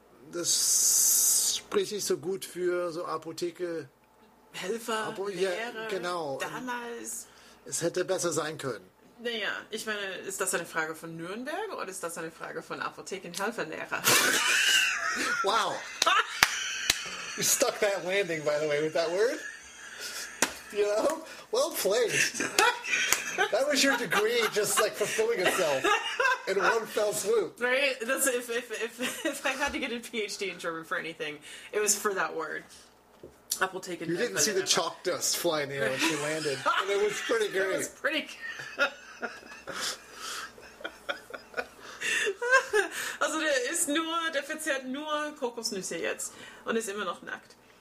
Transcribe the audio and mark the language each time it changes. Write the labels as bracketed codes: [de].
[de] Das spricht nicht so gut für so Apotheke. Helfer, damals. Es hätte besser sein können. Naja, ich meine, ist das eine Frage von Nürnberg oder ist das eine Frage von Apothekenhelferlehrer? Wow. [en] You stuck that landing, by the way, with that word. You know? Well played. That was your degree just like fulfilling itself in one fell swoop. Right? That's if I had to get a PhD in German for anything, it was for that word. [de] Apotheken. [en] You didn't see the chalk dust fly in the air when she landed. And it was pretty great. It was pretty [de] Also der ist nur, der verzehrt nur Kokosnüsse jetzt und ist immer noch nackt.